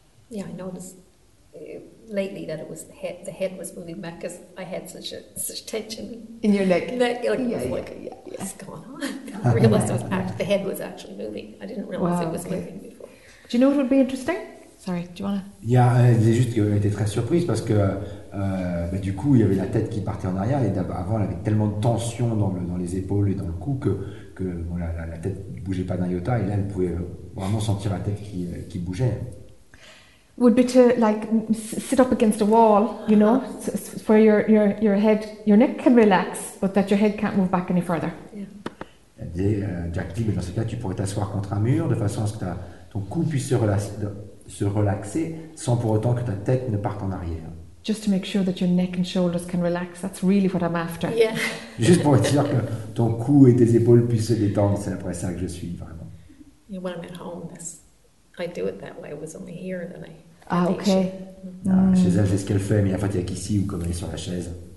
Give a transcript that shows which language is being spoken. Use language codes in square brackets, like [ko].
[en] Yeah, I noticed lately that it was the head was moving back because I had such tension in your neck. What's going on? I realized the head was actually moving. I didn't realize it was moving before. Do you know what would be interesting? Sorry, do you want to? [fr] Yeah, c'est juste qu'elle était très surprise parce que du coup il y avait la tête qui partait en arrière et avant elle avait tellement de tension dans les épaules et dans le cou que bon, la tête bougeait pas d'un iota et là elle pouvait vraiment sentir la tête qui bougeait. [en] Would be to like sit up against a wall, you know, uh-huh. Where your head, your neck can relax, but that your head can't move back any further. Yeah. [fr] Et Jack dit, mais dans ce cas, tu pourrais t'asseoir contre un mur de façon à ce que ton cou puisse se relaxer sans pour autant que ta tête ne parte en arrière. [en] Just to make sure that your neck and shoulders can relax. That's really what I'm after. Yeah. [fr] Juste pour dire que ton cou et tes épaules puissent se détendre, c'est après ça que je suis vraiment. [en] Yeah, when I'm at home, that's. I do it that way. It was only here that I. Ah, okay. [fr] Chez elle, c'est ce qu'elle fait, mais en fait, il n'y a qu'ici ou comme elle est sur la chaise.